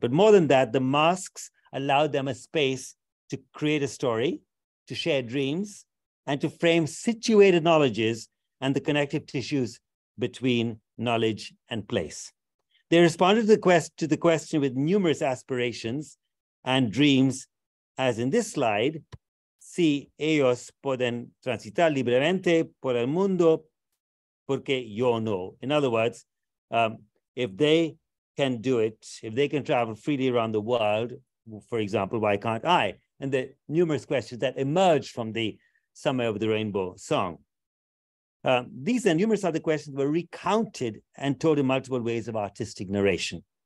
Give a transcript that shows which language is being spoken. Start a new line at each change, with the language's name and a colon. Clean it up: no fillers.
English: But more than that, the masks allowed them a space to create a story, to share dreams, and to frame situated knowledges and the connective tissues between knowledge and place. They responded to the question with numerous aspirations and dreams, as in this slide,
Spanish: si ellos pueden transitar libremente por el mundo, porque yo no.
English: In other words, if they can do it, if they can travel freely around the world, for example, why can't I? And the numerous questions that emerge from the Summer of the Rainbow song. These and numerous other questions were recounted and told in multiple ways of artistic narration.